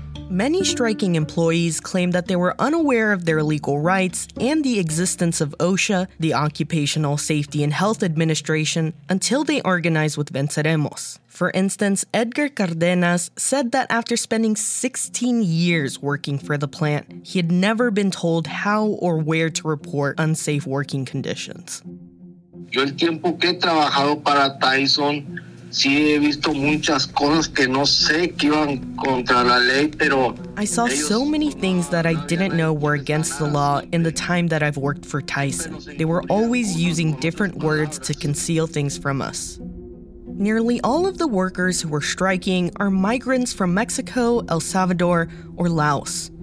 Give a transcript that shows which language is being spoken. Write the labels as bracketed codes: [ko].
[en] Many striking employees claimed that they were unaware of their legal rights and the existence of OSHA, the Occupational Safety and Health Administration, until they organized with Venceremos. For instance, Edgar Cardenas said that after spending 16 years working for the plant, he had never been told how or where to report unsafe working conditions. [es] Yo el tiempo que he trabajado para Tyson, sí he visto muchas cosas que no sé que iban contra la ley, pero [en] I saw so many things that I didn't know were against the law in the time that I've worked for Tyson. They were always using different words to conceal things from us. Nearly all of the workers who were striking are migrants from Mexico, El Salvador, or Laos.